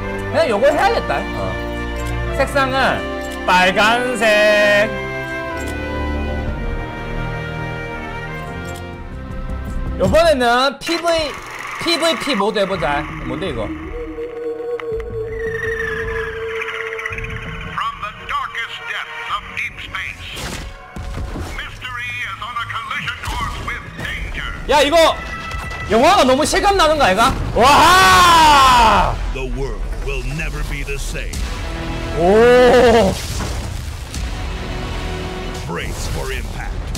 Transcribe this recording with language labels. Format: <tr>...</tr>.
<ko>그냥 요거 해야겠다. 어. 색상은 빨간색. 요번에는 PVP 모드 해보자. 뭔데, 이거?</ko> <en>From the darkest depths of deep space, mystery is on a collision course with danger.</en> <ko>야, 이거! 영화가 너무 실감 나는 거 아이가?</ko> <en>와! The world will never be the same. 오! Brace for impact.</en>